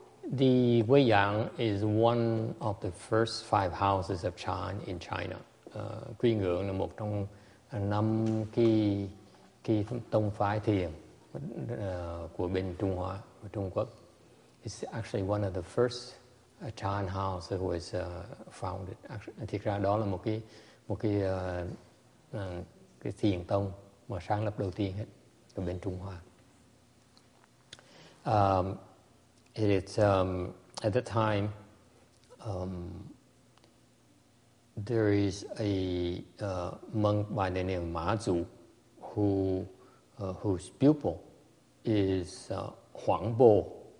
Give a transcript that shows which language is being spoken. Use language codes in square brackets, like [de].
[en] The Weiyang is one of the first five houses of Chan in China. [vi] Quy Ngưỡng là một trong năm cái tông phái thiền của bên Trung Hoa, của Trung Quốc. [en] It's actually one of the first Chan houses that was founded. [vi] Thực ra đó là một cái thiền tông mà sáng lập đầu tiên hết ở bên Trung Hoa. [en] At the time, there is a monk by the name of Ma Zu, whose pupil is Huang Bo.